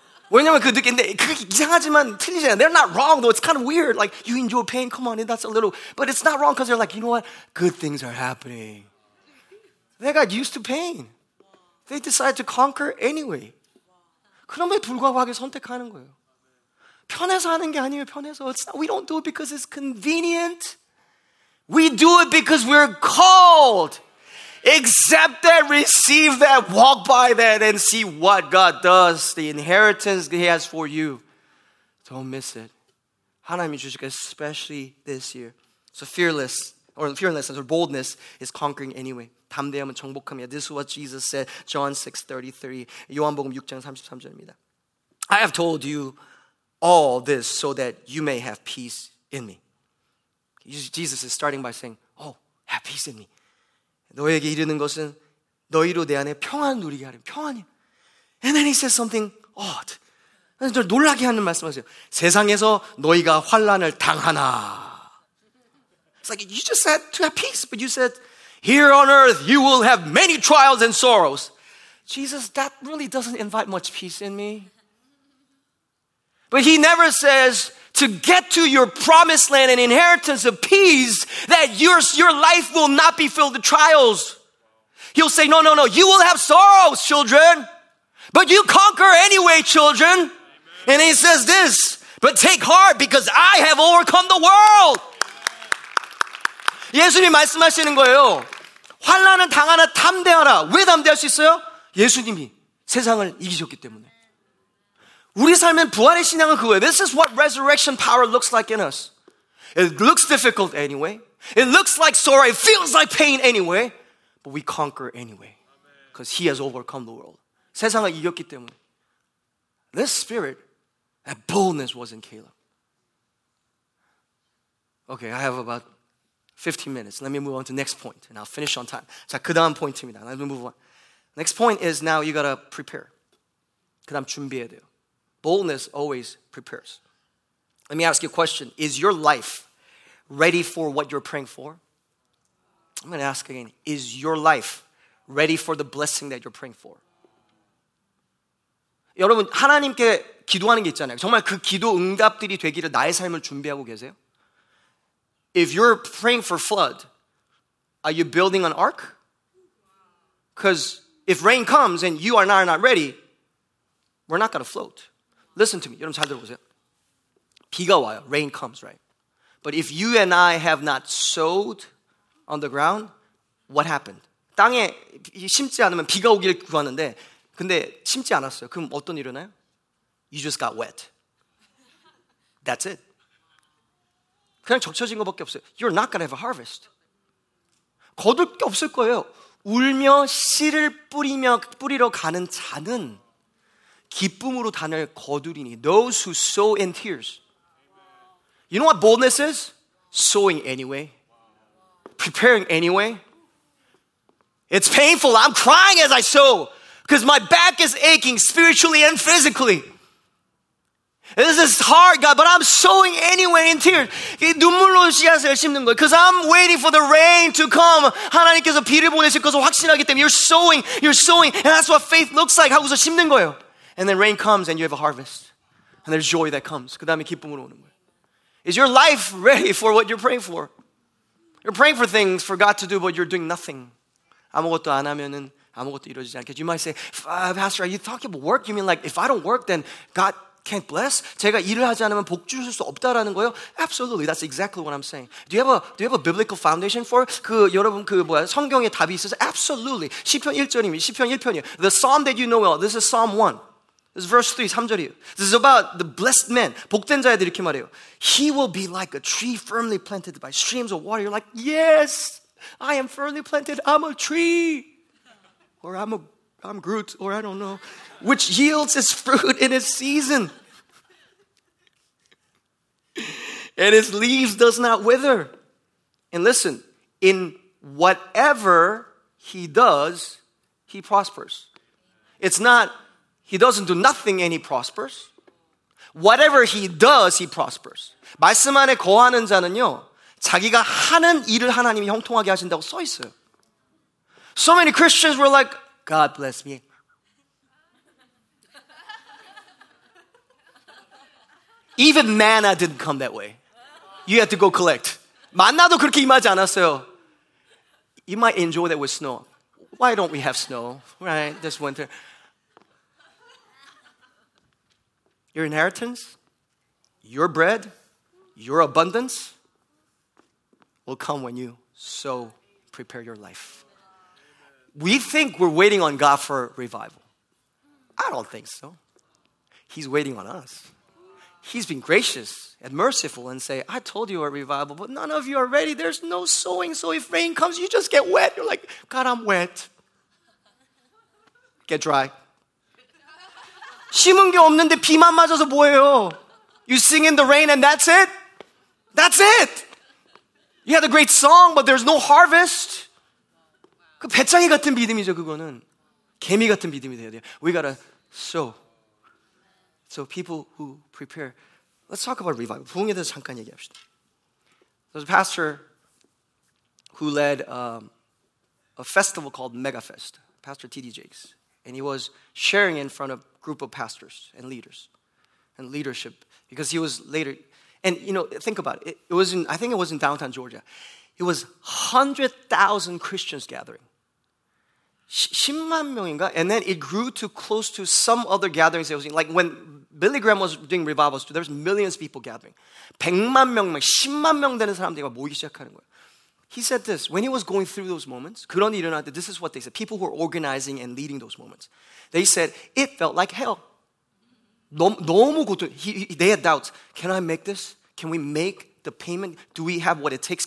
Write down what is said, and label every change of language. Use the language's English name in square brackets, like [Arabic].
[Korean] 왜냐면 그 느낌인데, 그게 이상하지만 틀리잖아요. [English] They're not wrong, though. It's kind of weird. Like, you enjoy pain, come on, that's a little. But it's not wrong, because they're like, you know what? Good things are happening. They got used to pain. They decide to conquer anyway. [Korean] 그럼에도 불구하고 하게 선택하는 거예요. 편해서 하는 게 아니에요, 편해서. [English] It's not, we don't do it because it's convenient. We do it because we're called. Accept that, receive that, walk by that and see what God does. The inheritance he has for you. Don't miss it. [Korean] 하나님이 주시고, [English] especially this year. So fearlessness or boldness is conquering anyway. [Korean] 담대함은 정복함이야. [English] This is what Jesus said, John 6:33, [Korean] 요한복음 6장 33절입니다. [English] I have told you all this so that you may have peace in me. Jesus is starting by saying, oh, have peace in me. [Korean] 너에게 이르는 것은 너희로 내 안에 평안을 누리게 하려 평안이. [English] And then he says something odd. [Korean] 놀라게 하는 말씀하세요. 세상에서 너희가 환난을 당하나. [English] It's like you just said to have peace, but you said, here on earth, you will have many trials and sorrows. Jesus, that really doesn't invite much peace in me. But he never says, to get to your promised land and inheritance of peace, that your life will not be filled with trials. He'll say, no, no, no, you will have sorrows, children. But you conquer anyway, children. Amen. And he says this, but take heart, because I have overcome the world. [Korean] 예수님 말씀하시는 거예요. 환난은 당하나 담대하라. 왜 담대할 수 있어요? 예수님이 세상을 이기셨기 때문에. 우리 삶은 부활의 신앙은 그거예요. [English] This is what resurrection power looks like in us. It looks difficult anyway. It looks like sorrow. It feels like pain anyway. But we conquer anyway. Because he has overcome the world. [Korean] 세상을 이겼기 때문에. [English] This spirit, that boldness was in Caleb. Okay, I have about 15 minutes. Let me move on to the next point. And I'll finish on time. [Korean] 자, 그 다음 포인트입니다. [English] Let me move on. Next point is now you got to prepare. [Korean] 그 다음 준비해야 돼요. [English] Boldness always prepares. Let me ask you a question. Is your life ready for what you're praying for? I'm going to ask again. Is your life ready for the blessing that you're praying for? [Korean] 여러분, 하나님께 기도하는 게 있잖아요. 정말 그 기도 응답들이 되기를 나의 삶을 준비하고 계세요? [English] If you're praying for flood, are you building an ark? Because if rain comes and you are not ready, we're not going to float. Listen to me. [Korean] 여러분 잘 들어보세요. 비가 와요. [English] Rain comes, right? But if you and I have not sowed on the ground, what happened? [Korean] 땅에 심지 않으면 비가 오길 구하는데 근데 심지 않았어요. 그럼 어떤 일이 일어나요? [English] You just got wet. That's it. [Korean] 그냥 적셔진 것밖에 없어요. [English] You're not going to have a harvest. [Korean] 거둘 게 없을 거예요. 울며 씨를 뿌리며 뿌리러 가는 자는 기쁨으로 단을 거두리니 [English] Those who sow in tears. You know what boldness is? Sowing anyway. Preparing anyway. It's painful. I'm crying as I sow. Because my back is aching spiritually and physically. This is hard, God, but I'm sowing anyway in tears. [Korean] 눈물로 씨앗을 심는 거예요. [English] Because I'm waiting for the rain to come. [Korean] 하나님께서 비를 보내실 것을 확신하기 때문에 [English] You're sowing. And that's what faith looks like. [Korean] 하고서 심는 거예요. [English] And then rain comes and you have a harvest. And there's joy that comes. [Korean] 그 다음에 기쁨으로 오는 거예요. [English] Is your life ready for what you're praying for? You're praying for things for God to do, but you're doing nothing. [Korean] 아무것도 안 하면은 아무것도 이루어지지 않겠지. [English] You might say, Pastor, are you talking about work? You mean like, if I don't work, then God can't bless? [Korean] 제가 일을 하지 않으면 복 주실 수 없다라는 거요? [English] Absolutely, that's exactly what I'm saying. Do you have a biblical foundation for [Korean] 그 여러분 그 뭐야 성경의 답이 있어서? [English] Absolutely. [Korean] 시편 1절입니다. 시편 1편이에요. [English] The psalm that you know well, this is Psalm 1. This is verse 3, [Korean] 3절이에요. [English] This is about the blessed man. [Korean] 복된 자에 이렇게 말해요. [English] He will be like a tree firmly planted by streams of water. You're like, yes, I am firmly planted. I'm a tree. Or I'm Groot, or I don't know. Which yields its fruit in its season. And its leaves does not wither. And listen, in whatever he does, he prospers. It's not, he doesn't do nothing and he prospers. Whatever he does, he prospers. [Korean] 말씀 안에 거하는 자는요, 자기가 하는 일을 하나님이 형통하게 하신다고 써 있어요. [English] So many Christians were like, God bless me. Even manna didn't come that way. You had to go collect. [Korean] 만나도 그렇게 임하지 않았어요. [English] You might enjoy that with snow. Why don't we have snow, right, this winter? Your inheritance, your bread, your abundance will come when you so prepare your life. We think we're waiting on God for revival. I don't think so. He's waiting on us. He's been gracious and merciful and say, I told you a revival, but none of you are ready. There's no sowing, so if rain comes, you just get wet. You're like, God, I'm wet. Get dry. [Korean] 심은 게 없는데 비만 맞아서 뭐예요? [English] You sing in the rain and that's it? That's it. You had a great song, but there's no harvest. [Korean] 그 배짱이 같은 믿음이죠, 그거는. 개미 같은 믿음이 돼야 돼요. [English] We gotta sow. So people who prepare. Let's talk about revival. [Korean] 부흥에 대해서 잠깐 얘기합시다. [English] There's a pastor who led a festival called Megafest. Pastor T.D. Jakes. And he was sharing in front of a group of pastors and leaders. And leadership. Because he was later. And, you know, think about it. I think it was in downtown Georgia. It was 100,000 Christians gathering. [Korean] 10만 명인가? [English] And then it grew to close to some other gatherings. It was like when Billy Graham was doing revivals, there was millions of people gathering. [Korean] 100만 명, 10만 명 되는 사람들이 모이기 시작하는 거예요. [English] He said this, when he was going through those moments, [Korean] 그런 일이 일어났는데, [English] this is what they said, people who were organizing and leading those moments. They said, it felt like hell. [Korean] 너무 고통. [English] They had doubts. Can I make this? Can we make the payment, do we have what it takes?